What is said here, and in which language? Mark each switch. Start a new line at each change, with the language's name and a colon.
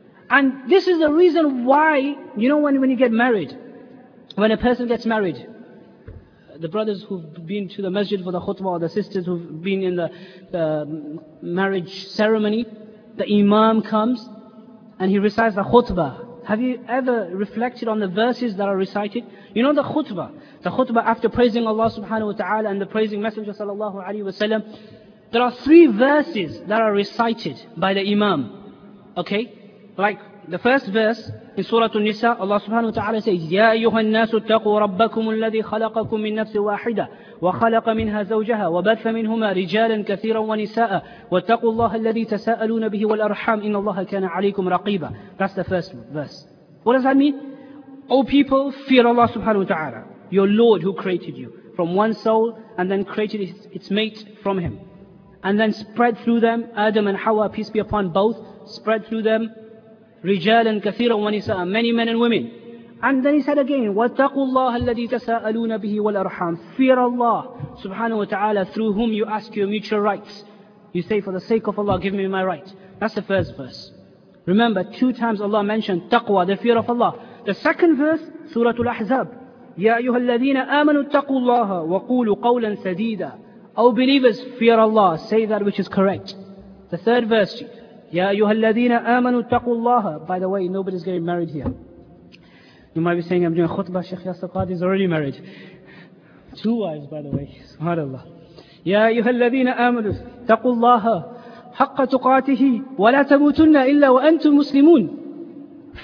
English: And this is the reason why, you know, when you get married, when a person gets married, the brothers who've been to the masjid for the khutbah, or the sisters who've been in the marriage ceremony, the imam comes and he recites the khutbah. Have you ever reflected on the verses that are recited? You know the khutbah after praising Allah subhanahu wa ta'ala and the praising Messenger sallallahu alayhi wa sallam, there are three verses that are recited by the imam. Okay? Like the first verse in Surah An-Nisa, Allah subhanahu wa ta'ala says,
Arabic: يَا أَيُّهَا النَّاسُ اتَّقُوا رَبَّكُمُ الَّذِي خَلَقَكُم مِّن نَّفْسٍ وَاحِدَةٍ وَخَلَقَ مِنْهَا زَوْجَهَا وَبَثَّ مِنْهُمَا رِجَالًا كَثِيرًا وَنِسَاءً وَاتَّقُوا اللَّهَ الَّذِي تَسَاءَلُونَ بِهِ وَالْأَرْحَامَ إِنَّ اللَّهَ كَانَ عَلَيْكُمْ رَقِيبًا.
English: That's the first verse. What does that mean? O people, fear Allah subhanahu wa ta'ala. your Lord who created you from one soul and then created its mate from him. And then spread through them, Adam and Hawa, peace be upon both, spread through them,
Arabic: رِجَالًا كَثِيرًا وَنِسَاءً,
English: many men and women. And then he said again,
Arabic: وَاتَّقُوا اللَّهَ الَّذِي تَسَاءَلُونَ بِهِ وَالْأَرْحَامِ,
English: fear Allah subhanahu wa ta'ala, through whom you ask your mutual rights. You say, for the sake of Allah, give me my right. That's the first verse. Remember, two times Allah mentioned taqwa, the fear of Allah. The second verse, Surah Al-Ahzab,
Arabic: يَا أَيُّهَا الَّذِينَ آمَنُوا اتَّقُوا اللَّهَ وَقُولُوا قَوْلًا سَدِيدًا.
English: O believers, fear Allah, say that which is correct. The third verse,
Arabic: يَا أَيُّهَا الَّذِينَ آمَنُوا اتَّقُوا اللَّهَ.
English: By the way, nobody's getting married here. You might be saying, I'm doing khutbah, Sheikh Yasir Qadi is already married. Two wives, by the way, subhanAllah.
Arabic: يَا أَيُّهَا الَّذِينَ آمَنُوا اتَّقُوا اللَّهَ حَقَّ تُقَاتِهِ وَلَا تَمُوتُنَّ إِلَّا وَأَنْتُمْ مُسْلِمُونَ.